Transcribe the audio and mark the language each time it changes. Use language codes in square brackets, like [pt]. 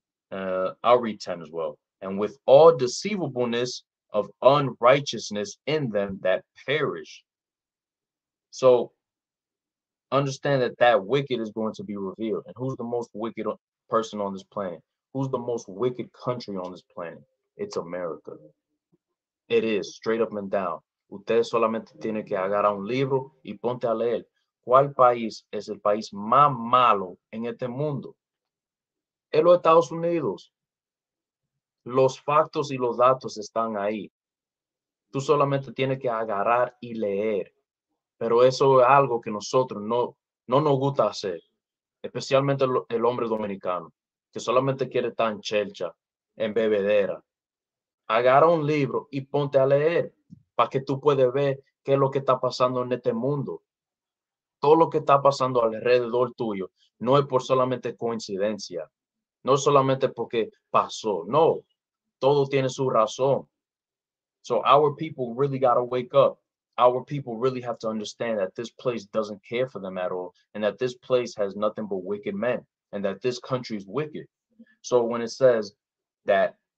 [en] I'll read 10 as well. And with all deceivableness of unrighteousness in them that perish. So understand that wicked is going to be revealed. And who's the most wicked person on this planet? Who's the most wicked country on this planet? It's America. It is, straight up and down. [es] Usted solamente tiene que agarrar un libro y ponte a leer. ¿Cuál país es el país más malo en este mundo? Es los Estados Unidos. Los factos y los datos están ahí. Tú solamente tienes que agarrar y leer. Pero eso es algo que nosotros no nos gusta hacer. Especialmente el hombre dominicano, que solamente quiere estar en chelcha, en bebedera. Agarra un libro y ponte a leer para que tú puedas ver qué es lo que está pasando en este mundo. Todo lo que está pasando alrededor tuyo no es por solamente coincidencia. No solamente porque pasó. No, todo tiene su razón. [en] So our people really got to wake up. Our people really have to understand that this place doesn't care for them at all, and that this place has nothing but wicked men, and that this country is wicked. So when it says that